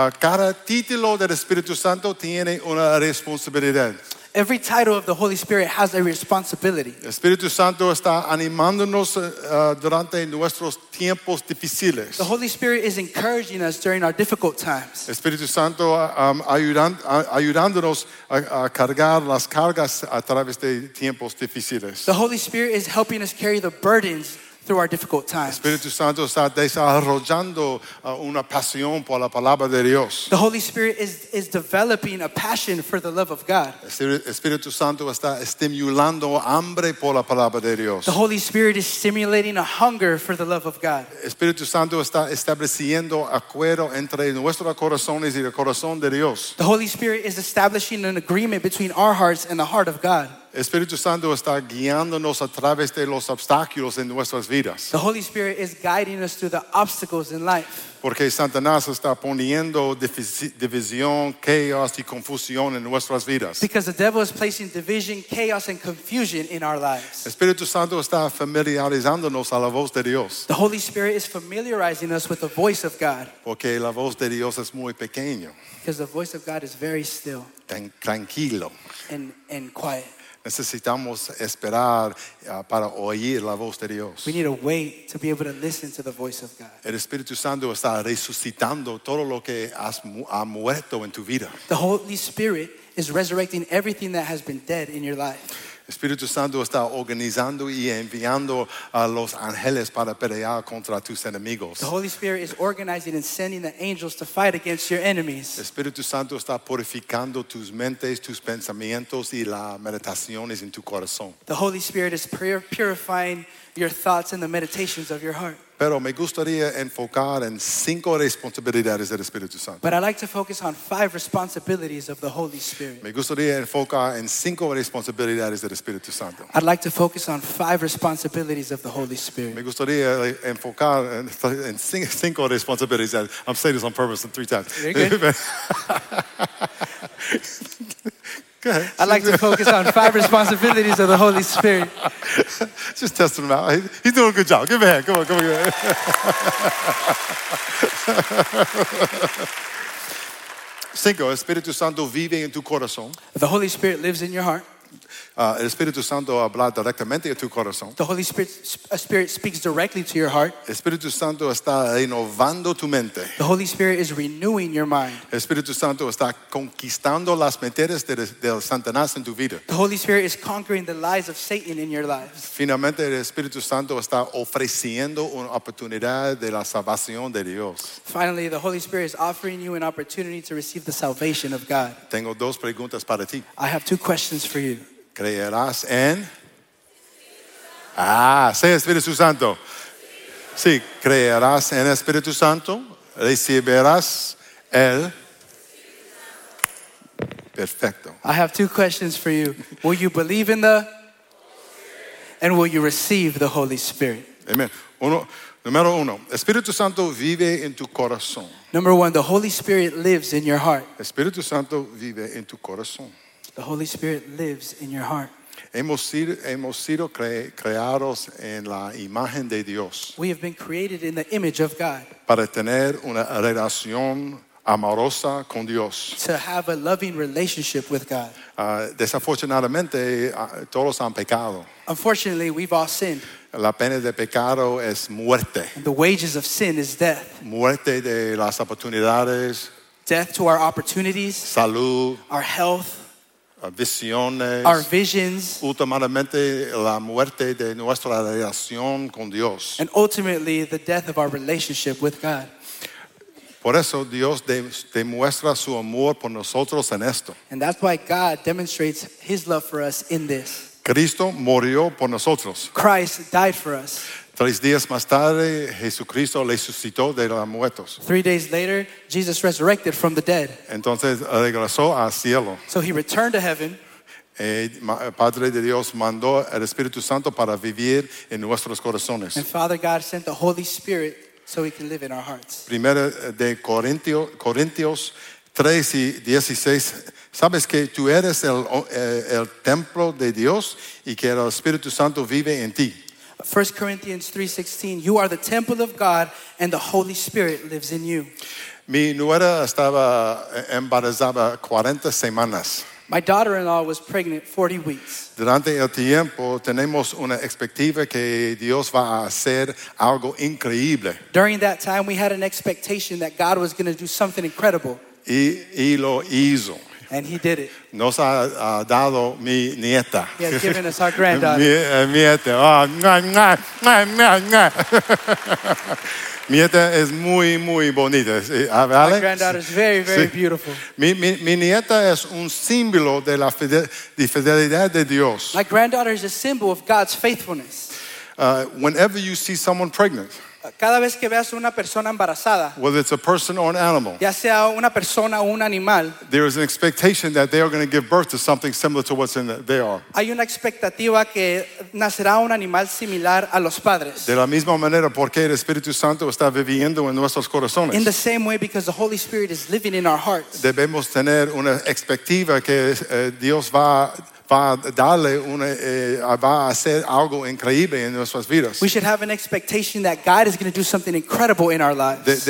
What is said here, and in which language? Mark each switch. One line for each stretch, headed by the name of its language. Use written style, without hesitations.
Spanish: Cada título del Espíritu Santo tiene una responsabilidad.
English: Every title of the Holy Spirit has a responsibility.
Spanish: El Espíritu Santo está animándonos durante nuestros tiempos difíciles.
English: The Holy Spirit is encouraging us during our difficult times.
Spanish: El Espíritu Santo ayudándonos a cargar las cargas a través de tiempos difíciles.
English: The Holy Spirit is helping us carry the burdens through our difficult times.
Spanish: Espíritu Santo está desarrollando una pasión por la palabra de Dios.
English: The Holy Spirit is developing a passion for the love of God.
Spanish: Espíritu Santo está estimulando hambre por la palabra de Dios.
English: The Holy Spirit is stimulating a hunger for the love of God.
Spanish: Espíritu Santo está estableciendo acuerdo entre nuestros corazones y el corazón de Dios.
English: The Holy Spirit is establishing an agreement between our hearts and the heart of God.
Spanish: Espíritu Santo está guiándonos a través de los obstáculos en nuestras vidas.
English: The Holy Spirit is guiding us through the obstacles in life.
Spanish: Porque Satanás está poniendo división, chaos y confusión en nuestras vidas.
English: Because the devil is placing division, chaos and confusion in our lives.
Spanish: Espíritu Santo está familiarizándonos a la voz de Dios.
English: The Holy Spirit is familiarizing us with the voice of God.
Spanish: Porque la voz de Dios es muy pequeño.
English: Because the voice of God is very still.
Spanish: Tranquilo.
English: And quiet.
Spanish: Necesitamos esperar para oír la voz de Dios.
English: We need to wait to be able to listen to the voice of God.
Spanish: El Espíritu Santo está resucitando todo lo que ha muerto en tu vida.
English: The Holy Spirit is resurrecting everything that has been dead in your life.
Spanish: Espíritu Santo está organizando y enviando a los ángeles para pelear contra tus enemigos.
English: The Holy Spirit is organizing and sending the angels to fight against your enemies.
Spanish: Espíritu Santo está purificando tus mentes, tus pensamientos y las meditaciones en tu corazón.
English: The Holy Spirit is purifying your thoughts and the meditations of your heart.
Spanish: Pero me gustaría enfocar en cinco responsabilidades del Espíritu Santo.
English: But I like to focus on five responsibilities of the Holy Spirit.
Spanish: Me gustaría enfocar en cinco responsabilidades del Espíritu Santo.
English: I'd like to focus on five responsibilities of the Holy Spirit.
Spanish: Me gustaría enfocar en cinco responsabilities.
English: I'm saying this on purpose three times. You're good. Good. I'd like to focus on five responsibilities of the Holy Spirit. Just testing him out. He's doing a good job. Give him a hand. Come on.
Spanish: Cinco, Espíritu Santo vive en tu corazón.
English: The Holy Spirit lives in your heart.
Spanish: El Espíritu Santo habla directamente a tu corazón.
English: The Holy Spirit, Spirit speaks directly to your heart.
Spanish: El Espíritu Santo está renovando tu mente.
English: The Holy Spirit is renewing your mind.
Spanish: El Espíritu Santo está conquistando las mentiras del Satanás en tu vida.
English: The Holy Spirit is conquering the lies of Satan in your lives.
Spanish: Finalmente, el Espíritu Santo está ofreciendo una oportunidad de la salvación de Dios.
English: Finally, the Holy Spirit is offering you an opportunity to receive the salvation of God.
Spanish: Tengo dos preguntas para ti.
English: I have two questions for you.
Spanish: ¿Creerás en? Sí, Espíritu Santo. Sí, ¿creerás en el Espíritu Santo? ¿Recibirás él? Perfecto.
English: I have two questions for you. Will you believe in the? And will you receive the Holy Spirit? Amen.
Spanish: Número uno, Espíritu Santo vive en tu corazón.
English: Number one, the Holy Spirit lives in your heart.
Spanish: Espíritu Santo vive en tu corazón.
English: The Holy Spirit lives in your heart.
Spanish: Hemos sido creados en la imagen de Dios.
English: We have been created in the image of God.
Spanish: Para tener una relación amorosa con Dios.
English: To have a loving relationship with God.
Spanish: Desafortunadamente, todos han pecado.
English: Unfortunately, we've all sinned.
Spanish: La pena de pecado es muerte.
English: And the wages of sin is death.
Spanish: Muerte de las oportunidades.
English: Death to our opportunities.
Spanish: Salud.
English: Our health.
Spanish: Visiones,
English: our visions,
Spanish: últimamente la muerte de nuestra relación con Dios,
English: and ultimately the death of our relationship with God.
Spanish: Por eso Dios demuestra su amor por nosotros en esto.
English: And that's why God demonstrates His love for us in this.
Spanish: Cristo murió por nosotros.
English: Christ died for us.
Spanish: 3 días más tarde, Jesucristo resucitó de los muertos.
English: 3 days later, Jesus resurrected from the dead.
Spanish: Entonces regresó al cielo.
English: So he returned to heaven.
Spanish: El Padre de Dios mandó el Espíritu Santo para vivir en nuestros corazones.
English: And Father God sent the Holy Spirit so he can live in our hearts.
Spanish: Primera de Corintios 3:16. ¿Sabes que tú eres el templo de Dios y que el Espíritu Santo vive en ti?
English: 1 Corinthians 3:16, you are the temple of God and the Holy Spirit lives in you.
Spanish: Mi nuera estaba embarazada 40 semanas.
English: My daughter-in-law was pregnant 40 weeks.
Spanish: Durante el tiempo tenemos una expectativa que Dios va a hacer algo increíble.
English: During that time we had an expectation that God was going to do something incredible.
Spanish: Y lo hizo.
English: And he did it.
Spanish: Nos ha dado mi nieta.
English: He has given us our granddaughter.
Spanish: Nieta. Oh, Nieta es muy, muy bonita.
English: My granddaughter is very, very sí. Beautiful.
Spanish: Mi nieta es un símbolo de la fidelidad de Dios.
English: My granddaughter is a symbol of God's faithfulness. Whenever you see someone pregnant,
Spanish: cada vez que veas una persona embarazada,
English: whether it's a person or an animal,
Spanish: ya sea una persona o un animal,
English: there is an expectation that they are going to give birth to something similar to what's in the, they are.
Spanish: Hay una expectativa que nacerá un animal similar a los padres. De la misma manera, porque el Espíritu Santo está viviendo en nuestros corazones.
English: In the same way, because the Holy Spirit is living in our hearts.
Spanish: Debemos tener una expectativa que Dios va a hacer algo increíble en nuestras vidas.
English: We should have an expectation that God is going to do something incredible in our lives.